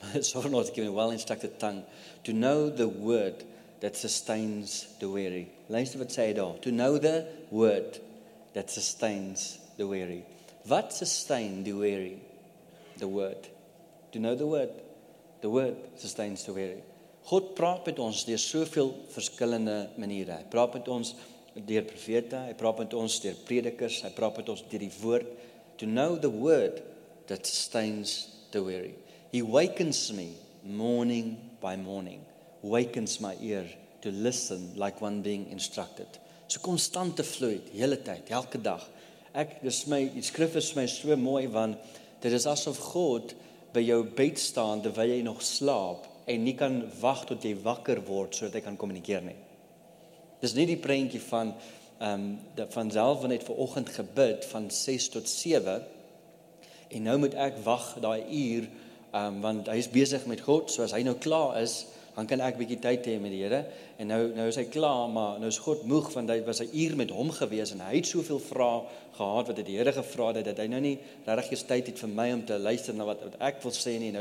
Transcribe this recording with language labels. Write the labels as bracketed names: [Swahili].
[English] Sovereign Lord has given me a well-instructed tongue to know the word that sustains the weary. [Afrikaans] Luister wat sê hy daar. [English] To know the word that sustains the weary. What sustain the weary? The word. To know the word. The word sustains the weary. [Afrikaans] God praat met ons deur soveel verskillende maniere. Hy praat met ons deur profete, hy praat met ons deur predikers, hy praat met ons deur die woord. [English] To know the word that sustains the weary. He wakens me morning by morning. Wakens my ear to listen like one being instructed. [Afrikaans] So konstante vloei, hele tyd, elke dag. Ek, dis my, die skrif is my so mooi, want dit is asof God by jou bed staan terwyl jy nog slaap en nie kan wag tot jy wakker word sodat jy kan kommunikeer nie. Dis nie die prentjie van vanself wanneer het vanoggend gebid van 6 tot 7 en nou moet ek wag daai uur want hy is besig met God, so as hy nou klaar is, dan kan ek bietjie tyd hê met die Here en nou is hy klaar, maar nou is God moeg want hy was 'n uur met hom gewees en hy het soveel vrae gehad wat hy die Here gevra het dat hy nou nie regtig eens tyd het vir my om te luister na wat ek wil sê nie.